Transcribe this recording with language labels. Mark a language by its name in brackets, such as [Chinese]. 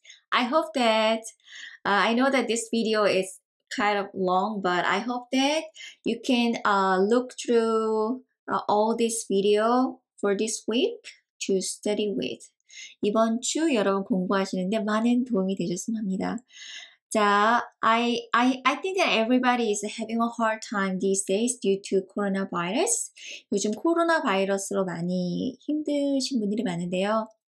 [English] I hope that, I know that this video is kind of long, but I hope that you can look through all this video for this week to study with. [Korean] 이번 주 여러분 공부하시는데 많은 도움이 되셨으면 합니다. [English] 자, I think that everybody is having a hard time these days due to coronavirus. [Korean] 요즘 코로나 바이러스로 많이 힘드신 분들이 많은데요.